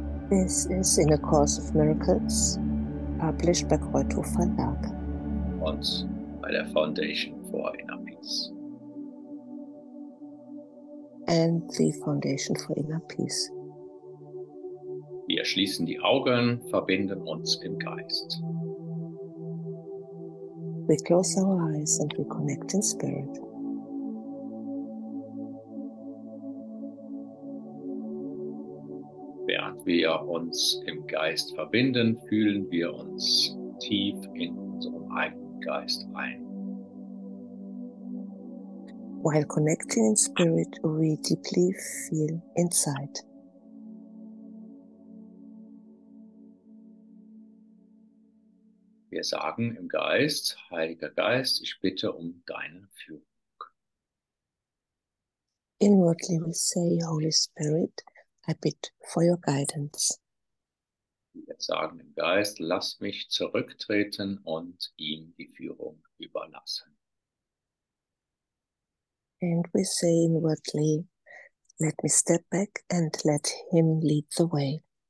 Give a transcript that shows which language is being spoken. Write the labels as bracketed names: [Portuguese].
[English] This is in A Course of Miracles, published by Kreuthof Verlag. Und by the Foundation for Inner Peace. And the Foundation for Inner Peace. [German] Wir schließen die Augen, verbinden uns im Geist. [English] We close our eyes and we connect in spirit. [German] Während wir uns im Geist verbinden, fühlen wir uns tief in unserem eigenen Geist ein. [English] While connecting in spirit, we deeply feel inside. [German] Wir sagen im Geist, Heiliger Geist, ich bitte um deine Führung. [English] Inwardly we say, Holy Spirit, I bid for your guidance. [German] Wir sagen im Geist, lass mich zurücktreten und ihm die Führung überlassen. [English] And we say inwardly, let me step back and let him lead the way.